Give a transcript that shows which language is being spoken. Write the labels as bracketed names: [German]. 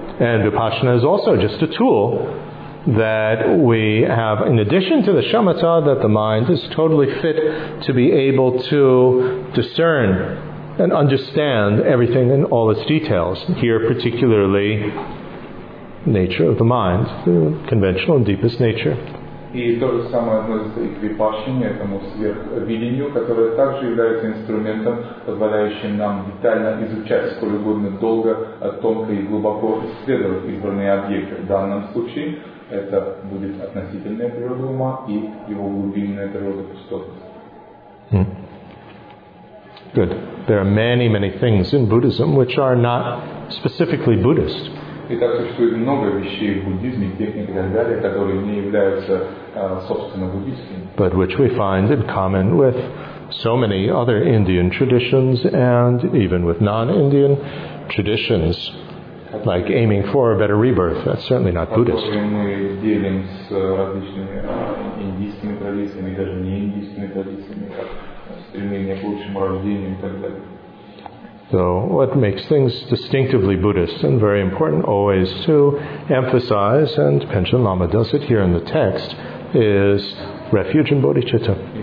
[English] And Vipassana is also just a tool that we have in addition to the shamatha, that the mind is totally fit to be able to discern and understand everything in all its details, here particularly nature of the mind, the conventional and deepest nature. [Russian] И то же самое относится и к випашине, этому сверхвидению, которое также является инструментом, позволяющим нам детально изучать сколь угодно долго, тонко и глубоко исследовать избранные объекты. В данном случае это будет относительная природа ума и его глубинная природа пустотность. [English] Hmm. Good. There are many, many things in Buddhism which are not specifically Buddhist. [Russian] Итак, существует много вещей в буддизме, техник и так далее, которые не являются собственно буддийскими. [English] But which we find in common with so many other Indian traditions and even with non-Indian traditions, like aiming for a better rebirth. That's certainly not Buddhist. [Russian] Которые мы делим с различными индийскими традициями, даже не индийскими традициями, как стремление к лучшему рождению и так далее. [English] So what makes things distinctively Buddhist and very important always to emphasize, and Panchen Lama does it here in the text, is refuge in bodhicitta.